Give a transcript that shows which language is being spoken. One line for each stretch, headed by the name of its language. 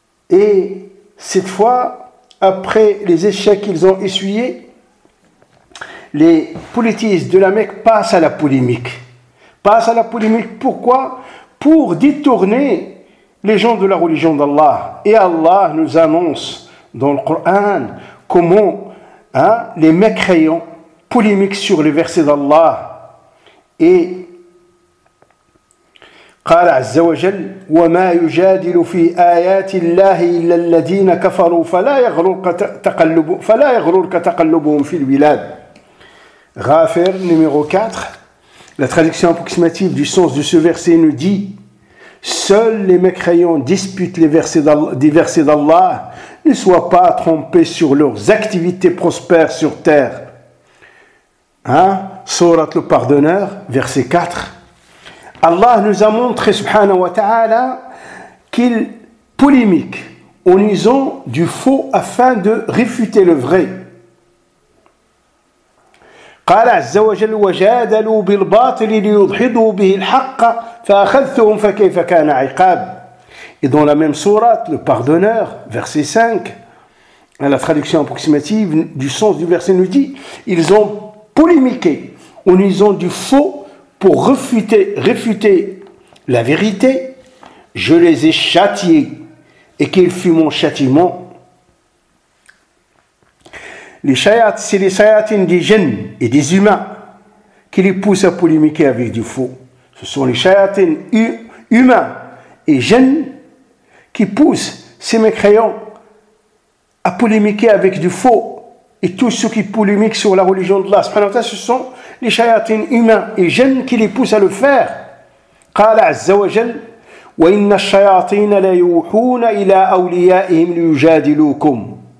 French: Et cette fois, après les échecs qu'ils ont essuyés, les politistes de la Mecque passent à la polémique. Passent à la polémique pourquoi ? Pour détourner les gens de la religion d'Allah. Et Allah nous annonce dans le Coran comment les mécréants polémique sur les versets d'Allah.
Arabic: Et قال عز وجل وما يجادل في آيات الله إلا الذين كفروا فلا يغرك تقلبهم في البلاد.
French: Ghafir numéro 4. La traduction approximative du sens de ce verset nous dit: seuls les mécréants disputent les versets d'Allah, ne sois pas trompés sur leurs activités prospères sur terre. Surat le pardonneur, verset 4. Allah nous a montré, subhanahu wa ta'ala, qu'il polémique en usant du faux afin de réfuter le vrai.
Arabic: قال عز وجل وجادلوا بالباطل ليضحضوا به الحق فأخذتهم فكيف كان عقاب.
French: Et dans la même surat, le pardonneur, verset 5, la traduction approximative du sens du verset nous dit: ils ont polémiquer en usant du faux pour réfuter la vérité, je les ai châtiés, et quel fut mon châtiment. Les shayatins, c'est les shayatins des djinns et des humains qui les poussent à polémiquer avec du faux. Ce sont les shayatins humains et djinns qui poussent ces mécréants à polémiquer avec du faux. Et tous ceux qui polémiquent sur la religion de Allah, ce sont les shayatins humains et djinns qui les poussent à le faire.
Arabic: قال عز وجل وإن الشياطين لا يوحون إلى أوليائهم ليجادلوكم.